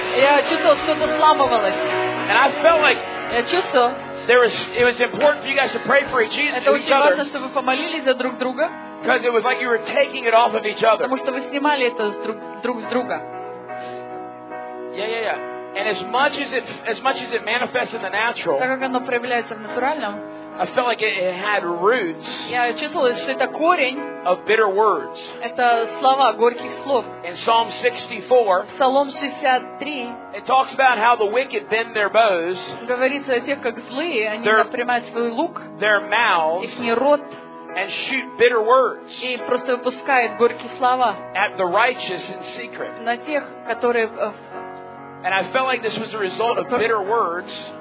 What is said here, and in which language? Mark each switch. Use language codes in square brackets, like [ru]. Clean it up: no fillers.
[en] And I felt like it was important for you guys to pray for each other. Because it was like you were taking it off of each other. Yeah. And as much as it manifests in the natural, [ru] так как оно проявляется в натуральном, [en] I felt like it had roots. [ru] Я чувствовала, что это корень. [en] Of bitter words. [ru] Это слова горьких слов. [en] In Psalm 64. [ru] Псалом 63. [en] It talks about how the wicked bend their bows. [ru] Говорится о тех, как злые, они напрямят свой лук. [en] Their mouths. [ru] Их не рот. [en] And shoot bitter words. [ru] И просто выпускает горькие слова. [en] At the righteous in secret. [ru] На тех, которые. [en] And I felt like this was a result of bitter words.